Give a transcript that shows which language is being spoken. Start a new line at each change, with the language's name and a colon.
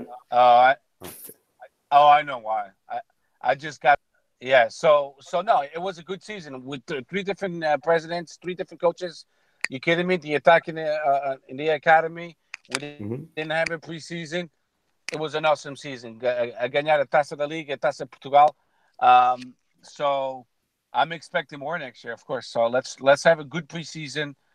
English: I know why. I just got, yeah, so no, it was a good season with 3 different presidents, 3 different coaches. You kidding me? The attack in the academy, We didn't have a preseason. It was an awesome season.
Portuguese: Ganhar a Taça da Liga, a Taça Portugal.
English: So I'm expecting more next year, of course. So let's have a good preseason.